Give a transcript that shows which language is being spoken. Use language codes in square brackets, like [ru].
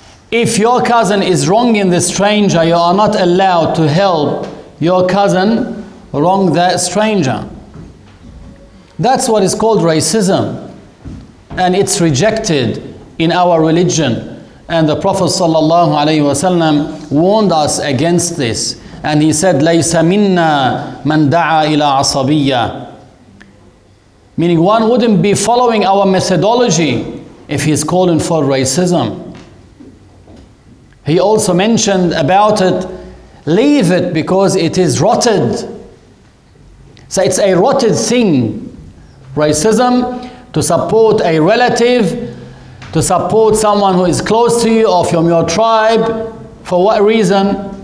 [en] If your cousin is wronging the stranger, you are not allowed to help your cousin wrong that stranger. That's what is called racism. And it's rejected in our religion. And the Prophet sallallahu alayhi wa sallam warned us against this. And he said, [ar] لَيْسَ مِنَّا مَنْ دَعَى إِلَىٰ عَصَبِيَّةٍ. [en] Meaning one wouldn't be following our methodology if he's calling for racism. He also mentioned about it, leave it because it is rotted. So it's a rotted thing. Racism, to support a relative, to support someone who is close to you or from your tribe, for what reason?